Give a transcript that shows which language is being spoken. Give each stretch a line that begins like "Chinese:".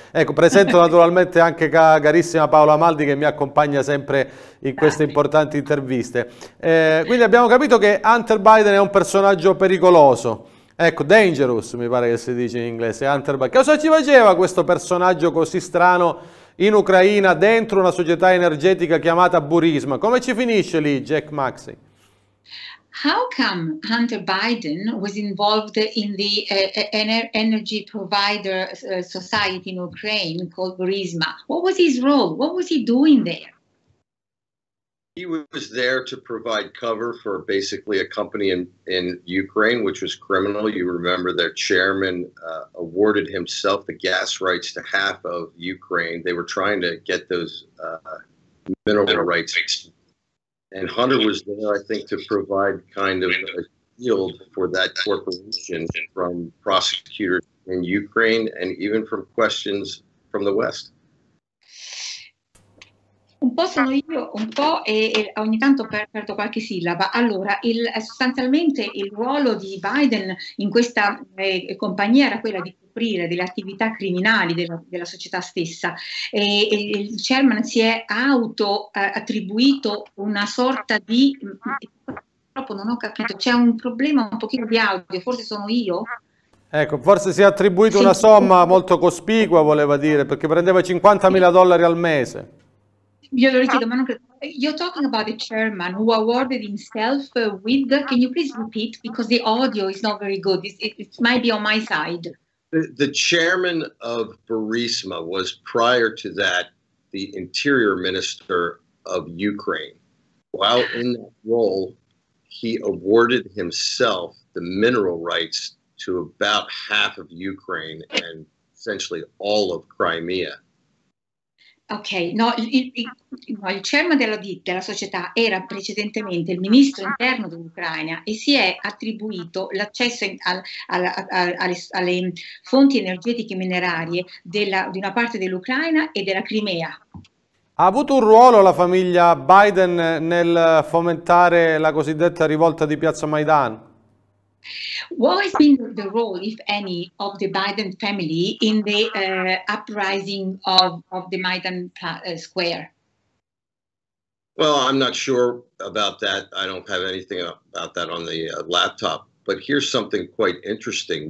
Italian: Ecco, presento naturalmente anche carissima Paola Maldi che mi accompagna sempre in queste importanti interviste. Quindi abbiamo capito che Hunter Biden è un personaggio pericoloso, ecco, dangerous, mi pare che si dice in inglese, Hunter Biden. Cosa ci faceva questo personaggio così strano in Ucraina, dentro una società energetica chiamata Burisma. Come ci finisce lì, Jack Maxey?
English: How come Hunter Biden was involved in the energy provider society in Ukraine called Burisma? What was his role? What was he doing there? He was there to provide cover for basically a company in Ukraine, which was criminal. You remember their chairman awarded himself the gas rights to half of Ukraine. They were trying to get those mineral rights. And Hunter was there, I think, to provide kind of a shield for that corporation from prosecutors in Ukraine and even from questions from the West.
Italian: Un po' sono io, un po' e ogni tanto perdo qualche sillaba. Allora, sostanzialmente il ruolo di Biden in questa compagnia era quella di coprire delle attività criminali della società stessa. E il chairman si è auto attribuito una sorta di... Purtroppo non ho capito, c'è un problema un pochino di audio, forse sono io? Ecco, forse si è attribuito una Sì. somma molto cospicua, voleva dire, perché prendeva 50.000 dollari al mese. Io lo richiedo, ma non credo.
English: You're talking about the chairman who awarded himself with. Can you please repeat? Because the audio is not very good. It might be on my side. The chairman of Burisma was, prior to that, the interior minister of Ukraine. While in that role, he awarded himself the mineral rights to about half of Ukraine and essentially all of Crimea.
Italian: Ok, no, no, il chairman della società era precedentemente il ministro interno dell'Ucraina e si è attribuito l'accesso alle fonti energetiche minerarie di una parte dell'Ucraina e della Crimea. Ha avuto un ruolo la famiglia Biden nel fomentare la cosiddetta rivolta di Piazza Maidan?
English: What has been the role, if any, of the Biden family in the uprising of the Maidan Square? Well, I'm not sure about that. I don't have anything about that on the laptop. But here's something quite interesting.